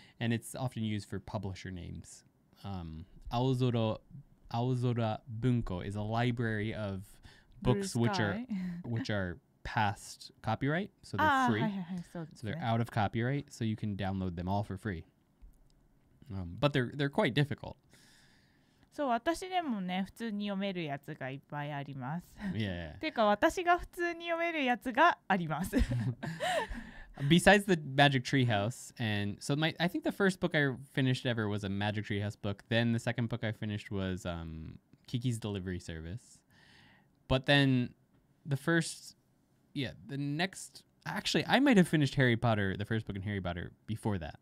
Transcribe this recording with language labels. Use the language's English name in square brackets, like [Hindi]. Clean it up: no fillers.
[English] And it's often used for publisher names. Aozora Bunko is a library of books which are past copyright. So they're free. So they're out of copyright. So you can download them all for free. But they're quite difficult. [Japanese] そう、私でもね、普通に読めるやつがいっぱいあります。 [English] Yeah. [Japanese] てか、私が普通に読めるやつがあります。 [English] Besides the Magic Treehouse, and so I think the first book I finished ever was a Magic Treehouse book. Then the second book I finished was Kiki's Delivery Service. But then I might have finished Harry Potter, the first book in Harry Potter, before that.